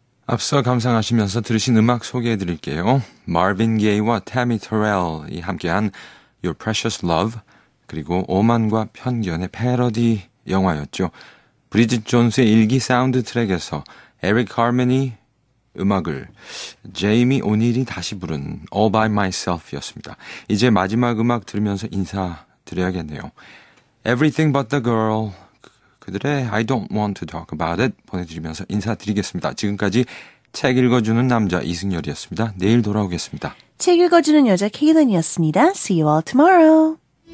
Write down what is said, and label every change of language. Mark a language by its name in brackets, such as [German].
[Korean] 앞서 감상하시면서 들으신 음악 소개해드릴게요. Marvin Gaye와 Tammy Terrell이 함께한 Your Precious Love, 그리고 오만과 편견의 패러디 영화였죠. 브리짓 존스의 일기 사운드 트랙에서 에릭 하르먼이 음악을, 제이미 오닐이 다시 부른 All By Myself이었습니다. 이제 마지막 음악 들으면서 인사드려야겠네요. Everything But The Girl, 그들의 I don't want to talk about it 보내드리면서 인사드리겠습니다. 지금까지 책 읽어주는 남자 이승열이었습니다. 내일 돌아오겠습니다. 책 읽어주는 여자 케이든이었습니다. [English] See you all tomorrow.